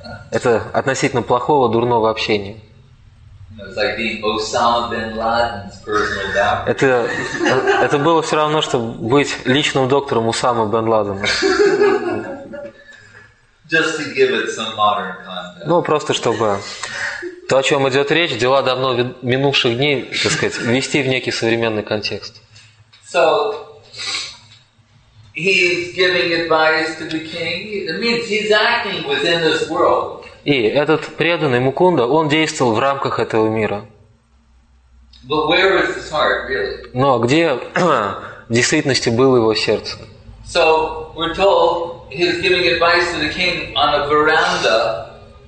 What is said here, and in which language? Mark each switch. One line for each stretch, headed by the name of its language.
Russian: Это относительно плохого, дурного общения.
English: It's like being Osama bin Laden's personal doctor.
Russian: Это было все равно, что быть личным доктором Усама бен Ладена.
English: Just to give it some modern context.
Russian: Ну, просто чтобы то, о чем идет речь, дела давно минувших дней, так сказать, ввести в некий современный контекст.
English: So, he's giving advice to the king. It means he's acting within this world.
Russian: И этот преданный Мукунда, он действовал в рамках этого мира.
English: But where is his heart, really?
Russian: Но где в действительности было его сердце?
English: So, we're told he's giving advice to the king on a veranda.